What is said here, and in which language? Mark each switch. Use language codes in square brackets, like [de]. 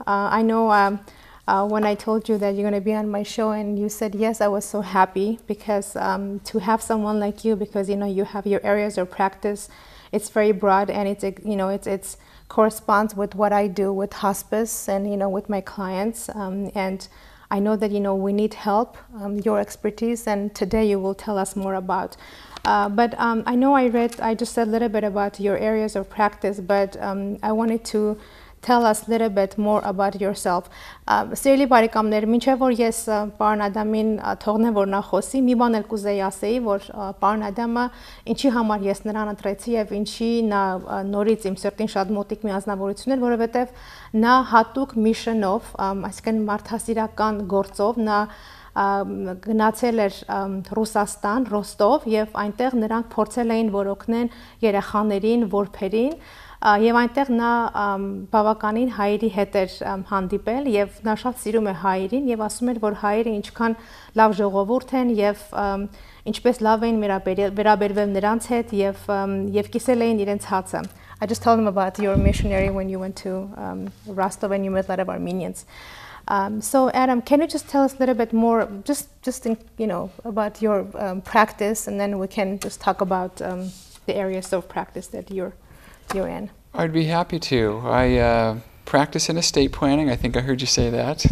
[en] I know when I told you that you're going to be on my show and you said yes, I was so happy because to have someone like you, because you know you have your areas of practice, it's very broad and it's, you know, it's corresponds with what I do with hospice and, you know, with my clients, and I know that, you know, we need help, your expertise, and today you will tell us more about. But I know I just said a little bit about your areas of practice, but I wanted to tell us a little bit more about yourself. [hy] Սիրելի բարեկամներ, մինչև որ ես պարոն Ադամին թողնեմ, որ նա խոսի, մի բան էլ կուզեի ասեի, որ պարոն Ադամը ինչի համար ես նրան ընտրեցի և ինչի նա նորից իմ սրտին շատ մոտիկ մի անձնավորություն էր, որովհետև նա հատուկ միշնով, այսինքն մարդասիրական գործով, նա գնացել էր Ռուսաստան, Ռոստով, և այնտեղ նրանք փորձել էին որոգնեն երեխաներին, որբերին, և այնտեղ նա բավականին հայերի հետ էր հանդիպել, և նա շատ սիրում է հայերին, և ասում էր, որ հայերը ինչքան լավ ժողովուրդ են, և ինչպես լավ էին վերաբերվել նրանց հետ, և կիսել էին իրենց հացը։ [en] I just told him about your missionary when you went to Rostov and you met a lot of Armenians. So Adam, can you just tell us a little bit more, just in, you know, about your practice, and then we can just talk about the areas of practice that you're in. I'd be happy to. I practice in estate planning. I think I heard you say that.